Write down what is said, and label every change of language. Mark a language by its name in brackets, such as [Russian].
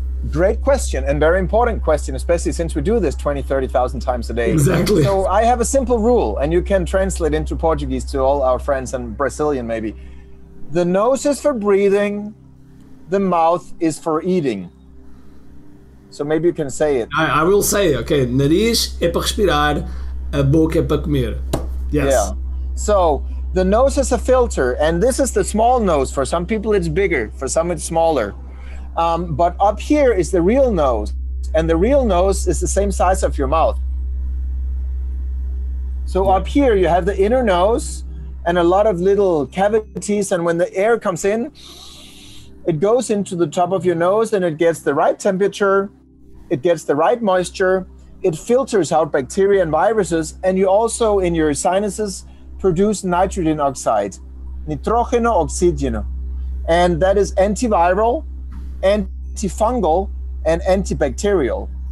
[English] Great question, and very important question, especially since we do this 20, 30,000 times a day. Exactly. So I have a simple rule, and you can translate into Portuguese to all our friends and Brazilian maybe. The nose is for breathing, the mouth is for eating. So maybe you can say it. I will say, okay, [Portuguese] nariz é para respirar, a boca é para comer. [English] Yes. Yeah. So the nose is a filter, and this is the small nose. For some people it's bigger, for some it's smaller. But up here is the real nose, and the real nose is the same size of your mouth. So yeah. Up here you have the inner nose and a lot of little cavities, and when the air comes in, it goes into the top of your nose and it gets the right temperature, it gets the right moisture, it filters out bacteria and viruses, and you also in your sinuses produce nitrogen oxide, nitrogeno oxigeno, and that is antiviral, antifungal and antibacterial.